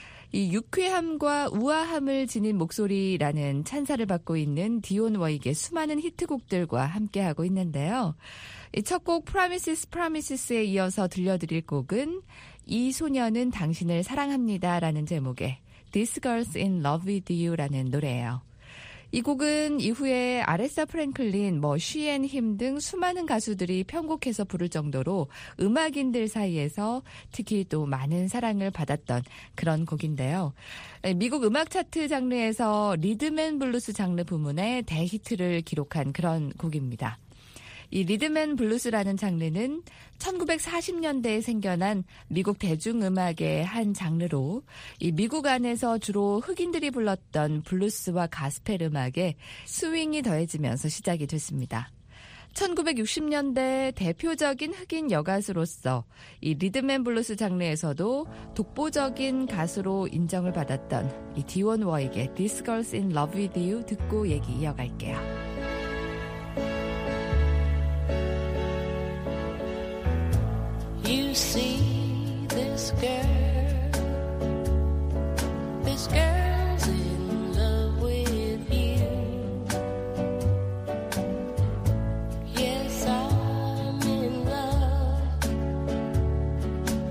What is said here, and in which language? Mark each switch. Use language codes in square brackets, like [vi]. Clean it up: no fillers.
[ko] 이 유쾌함과 우아함을 지닌 목소리라는 찬사를 받고 있는 디온 워익의 수많은 히트곡들과 함께하고 있는데요. 이 첫 곡 Promises, Promises에 이어서 들려드릴 곡은 이 소녀는 당신을 사랑합니다라는 제목의 These Girls in Love with You라는 노래예요. 이 곡은 이후에 아레사 프랭클린, 뭐 쉬앤 힘 등 수많은 가수들이 편곡해서 부를 정도로 음악인들 사이에서 특히 또 많은 사랑을 받았던 그런 곡인데요. 미국 음악 차트 장르에서 리듬앤블루스 장르 부문의 대히트를 기록한 그런 곡입니다. 이 리듬앤블루스라는 장르는 1940년대에 생겨난 미국 대중음악의 한 장르로 이 미국 안에서 주로 흑인들이 불렀던 블루스와 가스펠 음악에 스윙이 더해지면서 시작이 됐습니다. 1960년대 대표적인 흑인 여가수로서 이 리듬앤블루스 장르에서도 독보적인 가수로 인정을 받았던 이 디원 워에게 This Girl's in Love With You 듣고 얘기 이어갈게요. [en] You see this girl, this girl's in love with you. Yes, I'm in love.